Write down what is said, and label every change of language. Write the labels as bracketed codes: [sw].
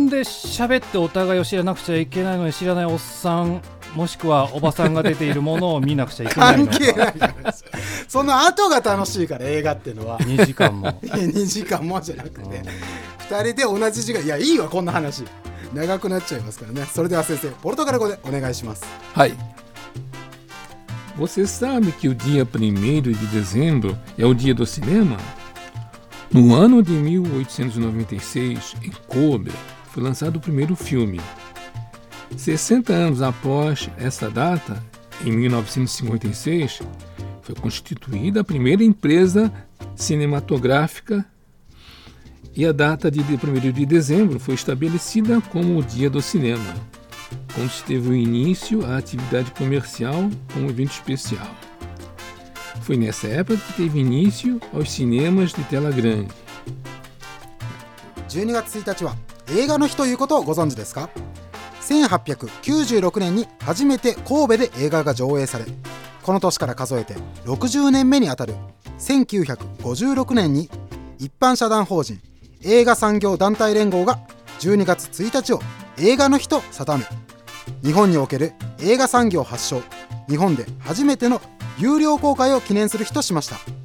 [ja] なんで喋ってお互いを知らなくちゃいけないのに、知らないおっさんもしくはおばさんが出ているものを見なくちゃいけないのか関係ないからその後が楽しいから映画っていうのは 2時間も 2時間もじゃなくて、ね、2人で同じ時間。いやいいわこんな話、長くなっちゃいますからね。それでは先生、ポルトガル語でお願いします。はい。 [pt] Você sabe que o dia 1º de dezembro é o dia do cinema? No ano de 1896, em Kobe, foi lançado o primeiro filme. 60 anos após essa data, em 1956, foi constituída a primeira empresa cinematográfica e a data de 1º de dezembro foi estabelecida como o dia do cinema, onde teve o início a atividade comercial com um evento especial. Foi nessa época que teve início aos cinemas de tela grande. [ja] 12月1日は映画の日ということをご存知ですか？1896年に初めて神戸で映画が上映され、この年から数えて60年目にあたる1956年に一般社団法人映画産業団体連合が12月1日を映画の日と定め、日本における映画産業発祥、日本で初めての有料公開を記念する日としました。